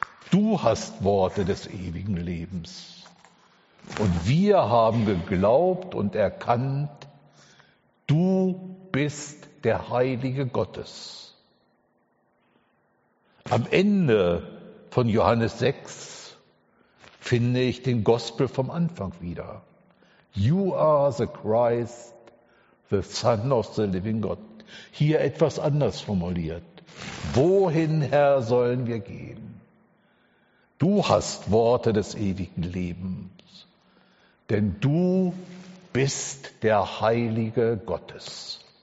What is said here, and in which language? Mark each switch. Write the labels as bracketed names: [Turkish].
[German] Du hast Worte des ewigen Lebens. Und wir haben geglaubt und erkannt, du bist der Heilige Gottes. Am Ende von Johannes 6 finde ich den Gospel vom Anfang wieder. [English] You are the Christ, the Son of the living God. [German] Hier etwas anders formuliert. Wohin, Herr, sollen wir gehen? Du hast Worte des ewigen Lebens, denn du bist der Heilige Gottes.